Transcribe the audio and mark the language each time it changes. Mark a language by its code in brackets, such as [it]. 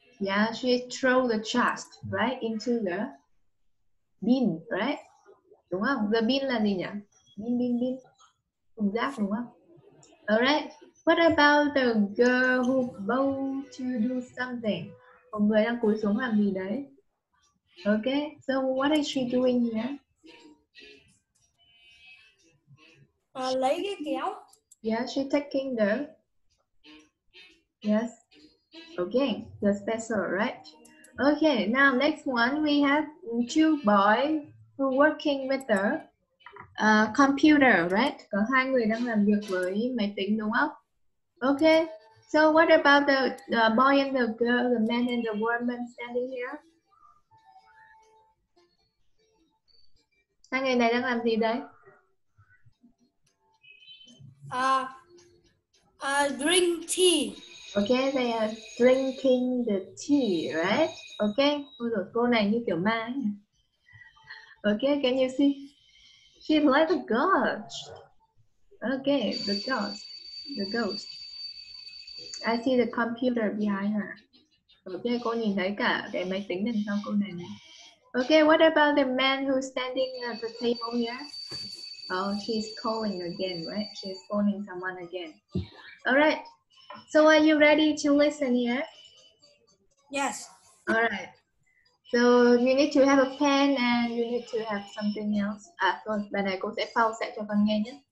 [en] Yeah, she throw the trash, right, into the bin, right? [vi] Đúng không? The bin là gì nhỉ? Bin, bin, bin. Thùng rác, đúng không? [en] Alright, what about the girl who bow to do something? [vi] Một người đang cúi xuống làm gì đấy? [en] Okay, so what is she doing here? [vi] Lấy cái kéo. [en] Yeah, she taking the. Yes. Okay, the special, right? Okay, now next one, we have two boys who working with the computer, right? Có hai người đang làm việc với máy tính, đúng không? Okay. So what about the boy and the girl, the man and the woman standing here? Hai người này đang làm gì đấy? Drink tea. Okay, they are drinking the tea, right? Okay. [vi] Ôi dồi, cô này như kiểu ma ấy. [en] Okay, can you see? She's like a ghost. Okay, the ghost. The ghost. I see the computer behind her. [vi] Okay, cô nhìn thấy cả cái máy tính đằng sau cô này này. [en] Okay, what about the man who's standing at the table here? Oh, she's calling again, right? She's phoning someone again. All right. So are you ready to listen here? Yes. All right. So you need to have a pen and you need to have something else. [vi] Bài này cô sẽ pause lại cho con nghe nhé.